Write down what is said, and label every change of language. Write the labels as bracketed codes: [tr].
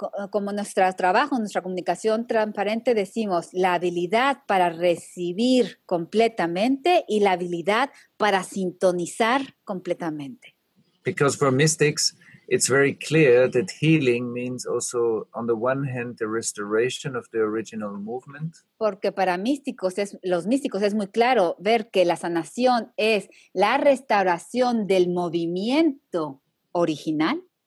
[es] Como nuestro trabajo, nuestra comunicación transparente, decimos la habilidad para recibir completamente y la habilidad para sintonizar completamente. [en] Because for mystics, it's very clear that healing means also, on the one hand, the restoration of the original movement. [es] Porque para los místicos es muy claro ver que la sanación es la restauración del movimiento original.